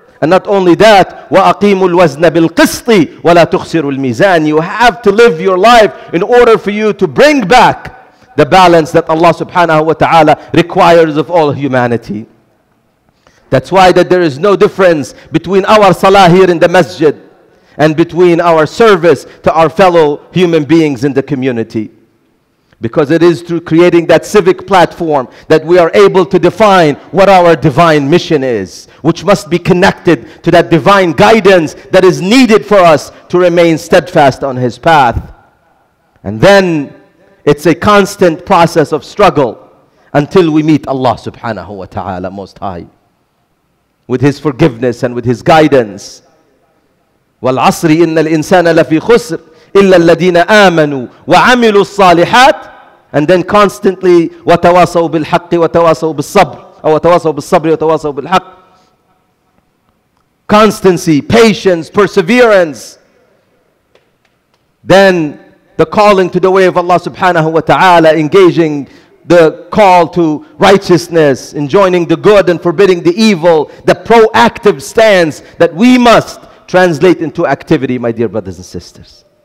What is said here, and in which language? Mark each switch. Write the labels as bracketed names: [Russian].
[English] And not only that, [Arabic] وَأَقِيمُ الْوَزْنَ بِالْقِسْطِ وَلَا تُخْسِرُ الْمِيزَانِ. [English] You have to live your life in order for you to bring back the balance that Allah subhanahu wa ta'ala requires of all humanity. That's why that there is no difference between our salah here in the masjid and between our service to our fellow human beings in the community. Because it is through creating that civic platform that we are able to define what our divine mission is, which must be connected to that divine guidance that is needed for us to remain steadfast on His path. And then it's a constant process of struggle until we meet Allah subhanahu wa ta'ala, Most High, with His forgiveness and with His guidance. [Arabic] وَالْعَصْرِ إِنَّ الْإِنسَانَ لَفِي خُسْرٍ إِلَّا الَّذِينَ آمَنُوا وَعَمِلُوا الصَّالِحَاتِ. [English] And then constantly, [Arabic] وَتَوَاصَوْا بِالْحَقِّ وَتَوَاصَوْا بِالصَّبْرِ أو وَتَوَاصَوْا بِالصَّبْرِ وَتَوَاصَوْا بِالْحَقِّ. [English] Constancy, patience, perseverance. Then the calling to the way of Allah subhanahu wa ta'ala, engaging the call to righteousness, enjoining the good and forbidding the evil, the proactive stance that we must translate into activity, my dear brothers and sisters.